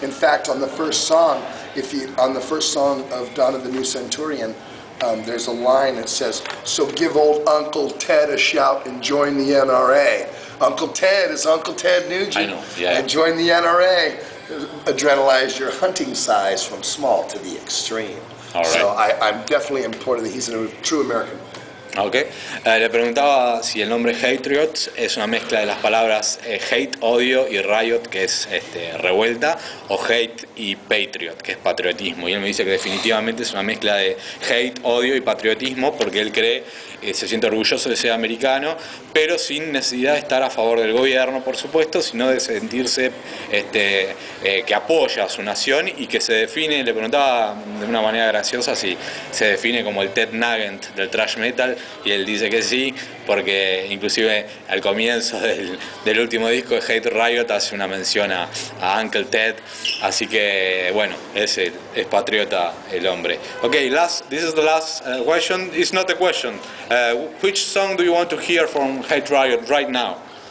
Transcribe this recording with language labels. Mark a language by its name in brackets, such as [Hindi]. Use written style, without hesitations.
[English] In fact, on the first song, on the first song of Dawn of the New Centurion, there's a line that says, "So give old Uncle Ted a shout and join the NRA." Uncle Ted is Uncle Ted Nugent. I know, yeah. And join the NRA. Adrenalize your hunting size from small to the extreme. All right. So I'm definitely important that he's a true American. Okay. [Spanish] Le preguntaba si el nombre Hatriot es una mezcla de las palabras hate, odio, y riot, que es revuelta, o hate y patriot, que es patriotismo. Y él me dice que definitivamente es una mezcla de hate, odio y patriotismo, porque él cree, se siente orgulloso de ser americano, pero sin necesidad de estar a favor del gobierno, por supuesto, sino de sentirse que apoya a su nación y que se define, le preguntaba de una manera graciosa si se define como el Ted Nugent del thrash metal, y él dice que sí, porque inclusive al comienzo del último disco de Hate Riot hace una mención a Uncle Ted, así que bueno, es patriota el hombre. [English] Okay, this is the last question. It's not a question. Which song do you want to hear from Hate Riot right now?